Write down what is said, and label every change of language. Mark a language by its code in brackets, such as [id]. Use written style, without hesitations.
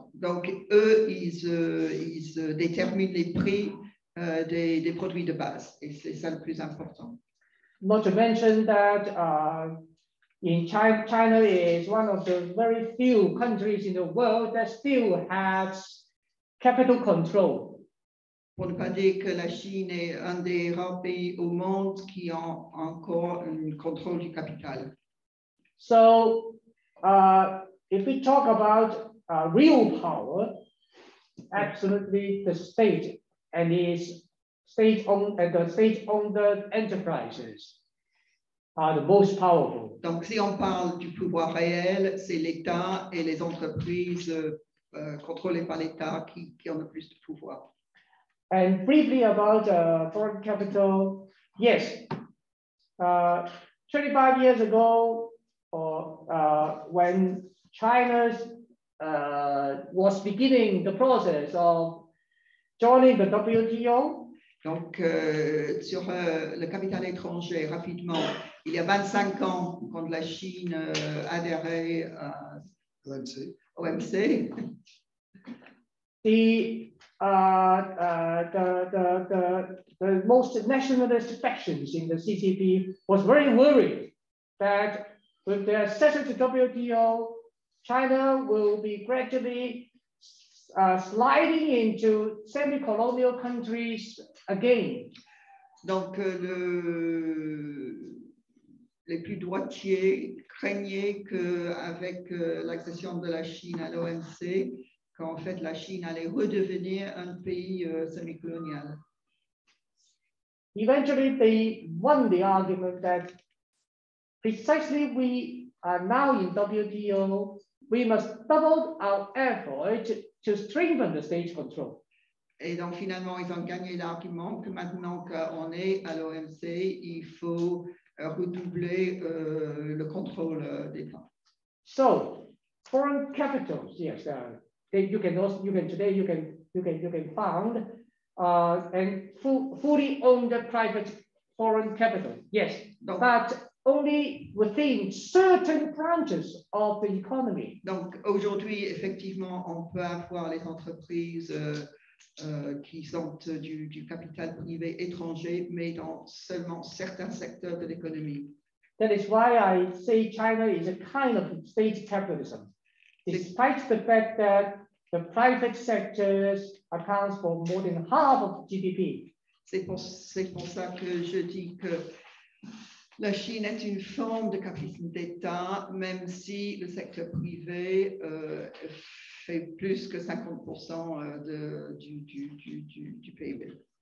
[fr] Donc, eux, ils déterminent les prix des produits de base. Et c'est ça le plus important. [en] Not to mention that in China is one of the very few countries in the world that still has capital control. [fr] Pour ne pas dire que la Chine est un des rares pays au monde qui a encore un contrôle du capital. [en] So, if we talk about real power, absolutely the state and its state-owned and the state-owned enterprises are the most powerful. [fr] Donc, si on parle du pouvoir réel, c'est l'État et les entreprises contrôlées par l'État qui ont le plus de pouvoir. [en] And briefly about foreign capital, yes, 25 years ago, when China was beginning the process of joining the WTO. [fr] Donc, sur le capital étranger, rapidement, il y a 25 ans, quand la Chine adhérait à l'OMC. [en] The most nationalist factions in the CCP was very worried that with their accession to WTO, China will be gradually sliding into semi-colonial countries again. [fr] Donc les plus droitiers craignaient que avec l'accession de la Chine à l'OMC. Qu'en fait la Chine allait redevenir un pays semi-colonial. [en] Eventually, they won the argument that precisely we are now in WTO, we must double our effort to strengthen the state control. [fr] Et donc finalement, ils ont gagné l'argument que maintenant qu'on est à l'OMC, il faut redoubler le contrôle d'État. [en] So, foreign capitals, yes. You can also, you can found and fully owned the private foreign capital, yes, donc, but only within certain branches of the economy. [fr] Donc aujourd'hui, effectivement, on peut avoir les entreprises qui sont du capital privé étranger, mais dans seulement certains secteurs de l'économie. [en] That is why I say China is a kind of state capitalism, despite the fact that the private sector accounts for more than half of GDP. [fr] C'est pour ça que je dis que la Chine est une forme de capitalisme d'État, même si le secteur privé fait plus que 50% du PIB.